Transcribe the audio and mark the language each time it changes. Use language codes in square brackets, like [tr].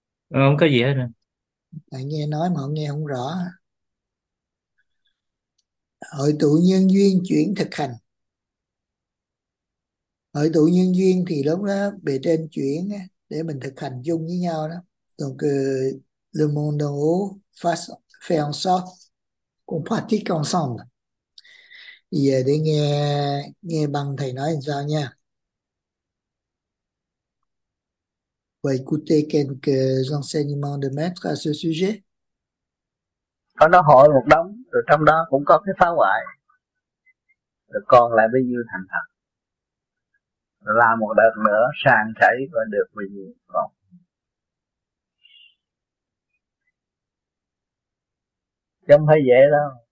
[vi] Không có gì hết rồi. Bạn nghe nói mà không nghe không rõ. Hội tụ nhân duyên chuyển thực hành. Hội tụ nhân duyên thì lúc đó bề trên chuyển để mình thực hành chung với nhau đó. [fr] Donc, le monde en haut fait en sorte qu'on pratique ensemble. [vi] Giờ để nghe nghe bằng thầy nói làm sao nha. [fr] Vous écoutez quelques enseignements de maître à ce sujet? [vi] Nó hỏi một đống rồi trong đó cũng có cái phá hoại rồi còn lại bao nhiêu thành thật làm một đợt nữa sàn sảy và được bao nhiêu còn không phải dễ đâu.